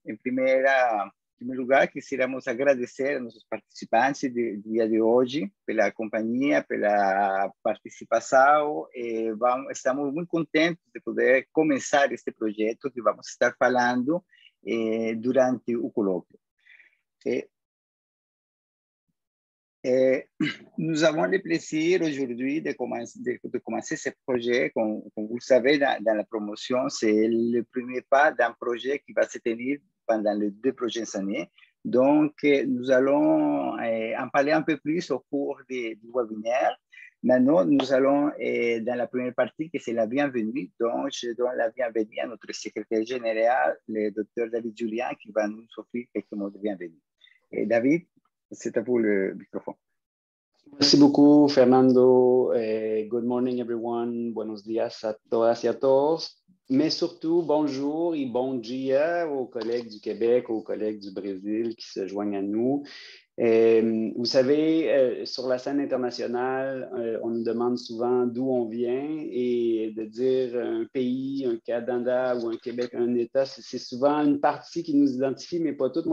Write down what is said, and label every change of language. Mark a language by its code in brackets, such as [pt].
[es] En premier lugar, quisiéramos agradecer a nuestros participantes del día de hoy por la compañía, por la participación. Estamos muy contentos de poder comenzar este proyecto que vamos a estar hablando durante el coloquio. [fr] Nous avons le plaisir aujourd'hui de commencer ce projet. Comme vous le savez, dans la promotion, c'est le premier pas d'un projet qui va se tenir pendant les deux prochaines années. Donc, nous allons en parler un peu plus au cours du webinaire. Maintenant, nous allons dans la première partie, qui est la bienvenue. Donc, je donne la bienvenue à notre secrétaire général, le docteur David Julien, qui va nous offrir quelques mots de bienvenue. Et David, c'est à vous le microphone. Merci beaucoup, Fernando. [en] Good morning, everyone. [es] Buenos días a todas y a todos. [fr] Mais surtout, bonjour et [pt] bon dia [fr] aux collègues du Québec, aux collègues du Brésil qui se joignent à nous. Vous savez, sur la scène internationale, on nous demande souvent d'où on vient et de dire un pays, un Canada ou un Québec, un État, c'est souvent une partie qui nous identifie, mais pas toute.